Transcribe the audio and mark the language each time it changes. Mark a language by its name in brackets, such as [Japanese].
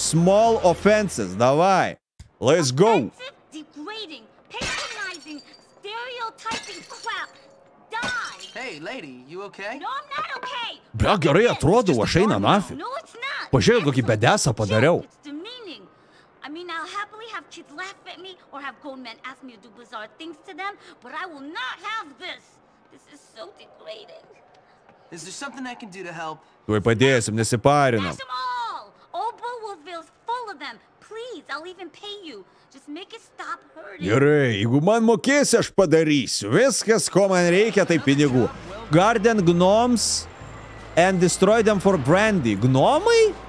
[English] Small offenses, [Lithuanian] davai. [English] Let's go. Degrading, patronizing, stereotyping crap. Die. Hey, lady, you okay? No, I'm not okay. [Lithuanian] Bra, gerai atrodo, aš eina nafį. [English] No, it's not. [Lithuanian] Pažiūrėjau, kokį bedesą padariau. [English] I mean, I'll happily have kids laugh at me or have grown men ask me to do bizarre things to them, but I will not have this. This is so degrading. Is there something I can do to help? [Lithuanian] Tuoj padėsim, nesiparinam. [English] All Bulwarkville's full of them. Please, I'll even pay you. Just make it stop hurting. [Lithuanian] Gerai, jeigu man mokėsi, aš padarysiu. Viskas, ko man reikia, tai pinigų. [English] Garden gnomes and destroy them for brandy. Gnomai?